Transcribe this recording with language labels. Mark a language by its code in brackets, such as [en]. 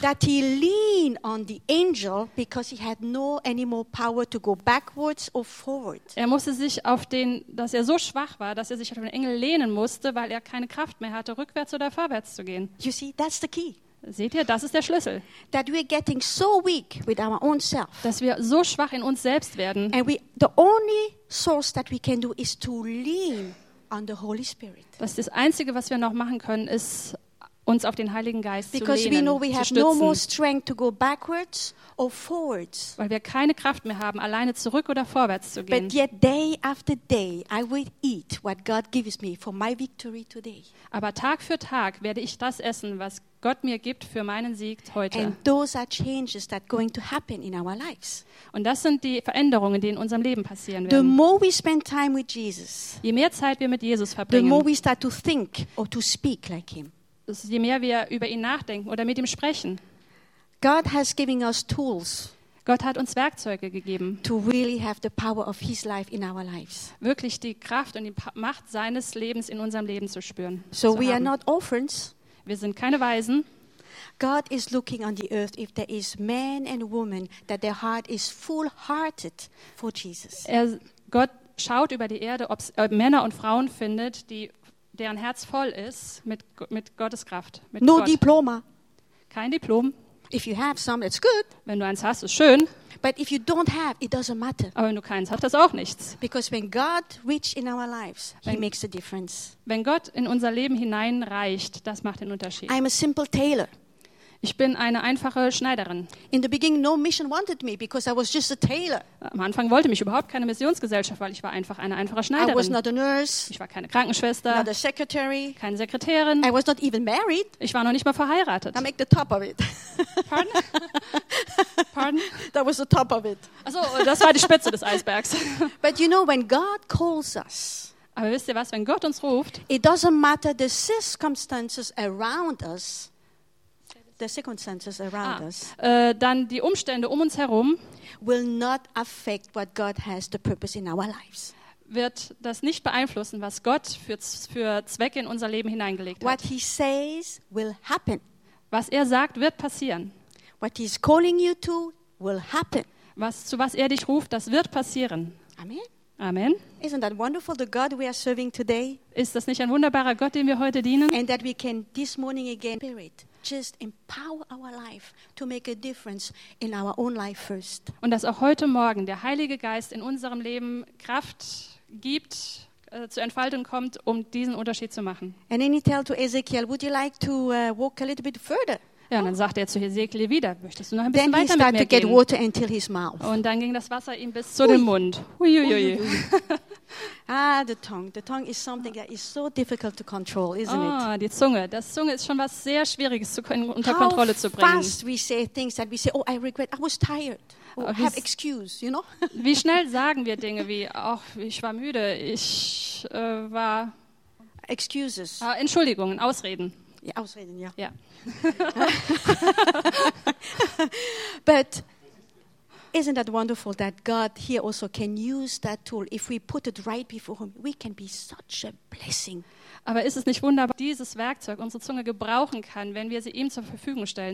[en] That he leaned on the angel because he had no any more power to go backwards or forward. [de] Er musste sich auf den, dass er so schwach war, dass er sich auf den Engel lehnen musste, weil er keine Kraft mehr hatte, rückwärts oder vorwärts zu gehen. [en] You see, that's the key. [de] Seht ihr, das ist der Schlüssel. [en] That we are getting so weak with our own self. [de] Dass wir so schwach in uns selbst werden. [en] And we, the only source that we can do is to lean on the Holy Spirit. [de] Das Einzige, was wir noch machen können, ist, uns auf den Heiligen Geist [en] because [de] zu lehnen, [en] we [de] zu stützen. [en] No to go backwards or forwards. [de] Weil wir keine Kraft mehr haben, alleine zurück oder vorwärts zu gehen. [en] But yet day after day, I will eat what God gives me for my victory today. [de] Aber Tag für Tag werde ich das essen, was Gott mir gibt für meinen Sieg heute. [en] And those are changes that are going to happen in our lives. [de] Und das sind die Veränderungen, die in unserem Leben passieren [en] the [de] werden. [en] More we spend time with Jesus, [de] je mehr Zeit wir mit Jesus verbringen, [en] the more we start to think or to speak like him. [de] Je mehr wir über ihn nachdenken oder mit ihm sprechen. [en] God has given us tools. [de] Gott hat uns Werkzeuge gegeben. [en] To really have the power of his life in our lives. [de] Wirklich die Kraft und die Macht seines Lebens in unserem Leben zu spüren. [en] So we are not orphans. [de] Wir sind keine Waisen. [en] God is looking on the earth if there is man and woman that their heart is full-hearted for Jesus. [de] Gott schaut über die Erde, ob es Männer und Frauen findet, die deren Herz voll ist mit Gottes Kraft. Mit [en] no [de] Gott. [en] Diploma. [de] Kein Diplom. [en] If you have some, it's good. [de] Wenn du eins hast, ist schön. [en] But if you don't have, it doesn't matter. [de] Aber wenn du keins hast, das auch nichts. [en] Because when God reaches in our lives, he makes a difference. [de] Wenn Gott in unser Leben hineinreicht, das macht den Unterschied. [en] I'm a simple tailor. [de] Ich bin eine einfache Schneiderin. [en] In the beginning, no mission wanted me because I was just a tailor. [de] Am Anfang wollte mich überhaupt keine Missionsgesellschaft, weil ich war einfach eine einfache Schneiderin. [en] I was not a nurse. [de] Ich war keine Krankenschwester. [en] Not a secretary. [de] Keine Sekretärin. [en] I was not even married. [de] Ich war noch nicht mal verheiratet. [en] I make the top of it. Pardon? Pardon? That was the top of it. [de] Also, das war die Spitze des Eisbergs. [en] But you know, when God calls us. [de] Aber wisst ihr was? Wenn Gott uns ruft. [en] It doesn't matter the circumstances around us. The circumstances around us. [de] Dann die Umstände um uns herum [en] will not affect what God has the purpose in our lives. [de] Wird das nicht beeinflussen, was Gott für Zwecke in unser Leben hineingelegt [en] what [de] hat. [en] What he says will happen. [de] Was er sagt, wird passieren. [en] What he's calling you to will happen. [de] Zu was er dich ruft, das wird passieren. [en] Amen. Amen. Isn't that wonderful, the God we are serving today? [de] Ist das nicht ein wunderbarer Gott, dem wir heute dienen? [en] And that we can this morning again spirit. Just empower our life to make a difference in our own life first. [de] Und dass auch heute Morgen der Heilige Geist in unserem Leben Kraft gibt, zur Entfaltung kommt, um diesen Unterschied zu machen. [en] And then he told to Ezekiel, would you like to walk a little bit further? [de] Ja, und dann sagt er zu Ezekiel wieder, möchtest du noch ein bisschen weiter mit mir gehen? [en] Then he started to get water until his mouth. [de] Und dann ging das Wasser ihm bis zu dem Mund. Uiuiui. [en] Ah, the tongue. The tongue is something that is so difficult to control, isn't it? [de] Ah, die Zunge. Das Zunge ist schon was sehr Schwieriges unter Kontrolle zu bringen. [en] How fast we say things that we say, oh, I regret, I was tired. Or have excuse, you know? [de] Wie schnell sagen wir Dinge wie, ach, ich war müde, ich war... [en] Excuses. [de] Entschuldigungen, Ausreden. Ja, Ausreden, ja. Ja. [en] But Isn't that wonderful that God here also can use that tool? If we put it right before him, we can be such a blessing. [de] Aber ist es nicht wunderbar, dieses Werkzeug unsere Zunge gebrauchen kann, wenn wir sie ihm zur Verfügung stellen?